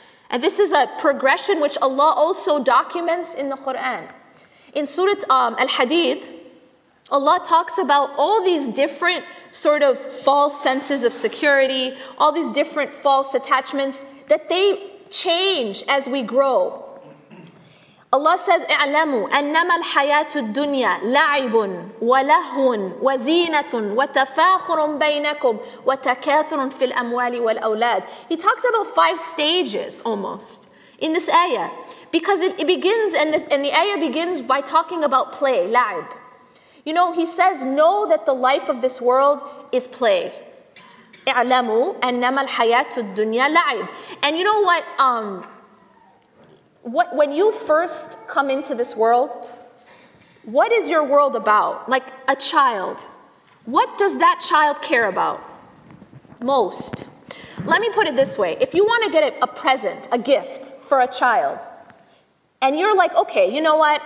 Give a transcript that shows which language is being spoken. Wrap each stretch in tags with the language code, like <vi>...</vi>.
<en>And this is a progression which Allah also documents in the Quran. In Surah Al-Hadid, Allah talks about all these different sort of false senses of security, all these different false attachments, that they change as we grow. Allah says,</en> <ar>اعلموا أنما الحياة الدنيا لعب ولهو وزينة وتفاخر بينكم وتكاثر في الأموال والأولاد.</ar> <en>He talks about five stages almost in this ayah. Because it begins, and the ayah begins by talking about play, لعب. You know, he says, know that the life of this world is play.</en> <ar>اعلموا أنما الحياة الدنيا لعب.</ar> <en>And you know what? When you first come into this world, what is your world about? Like a child, what does that child care about most? Let me put it this way. If you want to get a present, a gift for a child, and you're like, okay, you know what?</en>